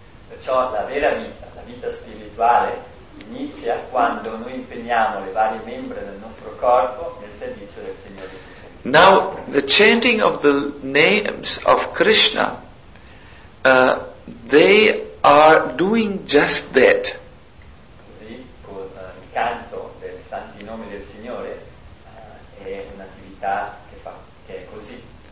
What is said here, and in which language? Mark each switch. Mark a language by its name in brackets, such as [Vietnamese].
[Italian] Perciò la vera vita, la vita spirituale, inizia quando noi impegniamo le varie membra del nostro corpo nel servizio del Signore. [English] Now, the chanting of the names of Krishna, they are doing just that. [Italian] Così, con il canto dei santi nomi del Signore, è un'attività che è così.